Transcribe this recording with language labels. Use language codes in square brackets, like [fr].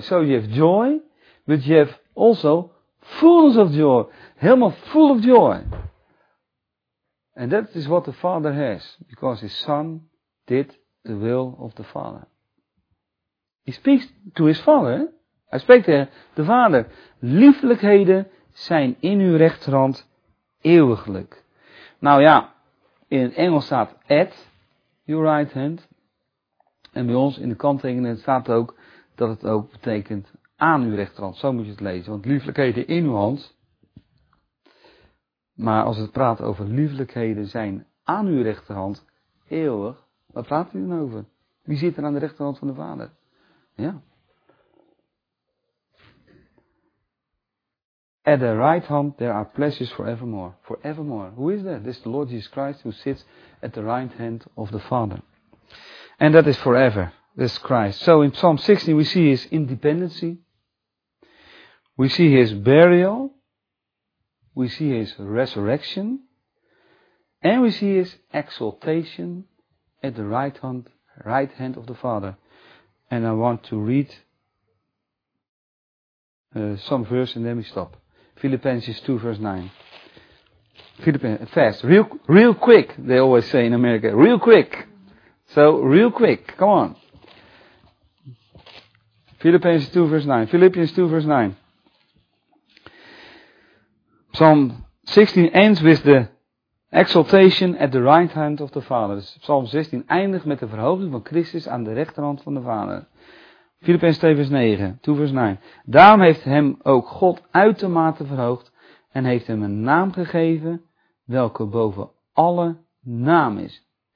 [en] So you have joy, but you have also fullness of joy. [nl] Helemaal [en] full of joy. And that is what the Father has, because his Son did the will of the Father. He speaks to his Father. [nl] Hij spreekt tegen de Vader. Lieflijkheden zijn in uw rechterhand eeuwiglijk. Nou ja, in het Engels staat [en] at your right hand. [nl] En bij ons in de kanttekening staat ook dat het ook betekent aan uw rechterhand. Zo moet je het lezen. Want lieflijkheden in uw hand. Maar als het praat over lieflijkheden zijn aan uw rechterhand. Eeuwig. Wat praat u dan over? Wie zit er aan de rechterhand van de Vader? Ja. [en] At the right hand there are pleasures forevermore. Forevermore. Who is that? This is the Lord Jesus Christ who sits at the right hand of the Father. And that is forever, this Christ. So in Psalm 16 we see his independency. We see his burial. We see his resurrection. And we see his exaltation at the right hand of the Father. And I want to read some verse and then we stop. Philippians 2 verse 9. Philippians, fast, real quick, they always say in America, real quick. So, real quick, come on. Philippians 2 verse 9. Philippians 2 verse 9. Psalm 16 ends with the exaltation at the right hand of the Father. [nl] Dus Psalm 16 eindigt met de verhoging van Christus aan de rechterhand van de Vader. [en] Philippians 2 verse 9. 2 verse 9. [nl] Daarom heeft hem ook God uitermate verhoogd en heeft hem een naam gegeven welke boven alle naam is.